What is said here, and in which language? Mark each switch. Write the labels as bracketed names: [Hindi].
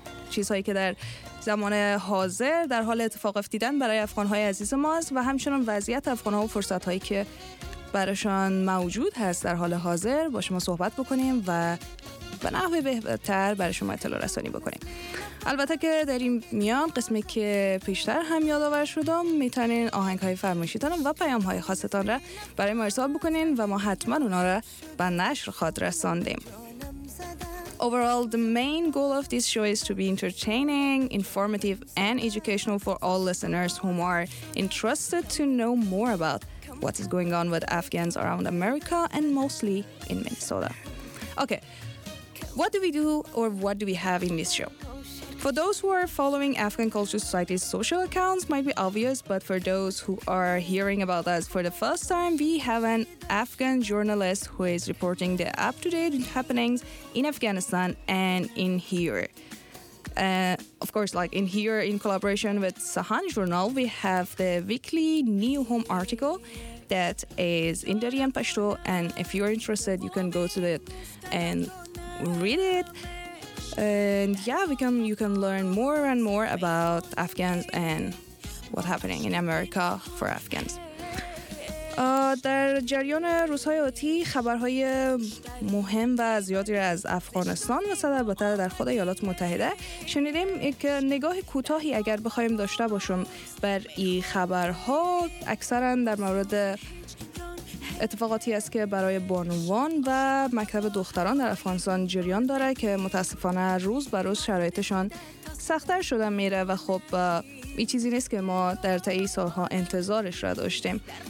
[Persian] چیزهایی که در زمان حاضر در حال اتفاق افتیدن برای افغانهای عزیز ماست و همچنان وضعیت افغانها و فرصتهایی که برایشان موجود هست در حال حاضر با شما صحبت بکنیم و به نحو بهتر برای شما اطلاع رسانی بکنیم. البته که در این میان قسمی که پیشتر هم یادآور شدم، میتونین آهنگهای فرمایشیتان و پیامهای خاصتان را برای ما ارسال بکنین و ما حتما اونا را به نشر خواهد رساندیم. [English] Overall, the main goal of this show is to be entertaining, informative, and educational for all listeners who are interested to know more about what is going on with Afghans around America and mostly in Minnesota. Okay, what do we do or what do we have in this show? For those who are following Afghan Culture Society's social accounts, might be obvious, but for those who are hearing about us for the first time, we have an Afghan journalist who is reporting the up-to-date happenings in Afghanistan and in here. Of course, like in here, in collaboration with Sahan Journal, we have the weekly New Home article that is in Dari and Pashto, and if you're interested, you can go to it and read it. And yeah, you can learn more and more about Afghans and what's happening in America for Afghans. [Persian] در جریان روزهای آتی خبرهای مهم و زیادی را از افغانستان و صد البته در خود ایالات متحده شنیدیم که نگاه کوتاهی اگر بخوایم داشته باشیم بر این خبرها، اکثرا در مورد اتفاقاتی است که برای بانوان و مکتب دختران در افغانستان جریان داره که متاسفانه روز به روز شرایطشان سخت‌تر شده میره و خب این چیزی نیست که ما در طی سال‌ها انتظارش را داشتیم.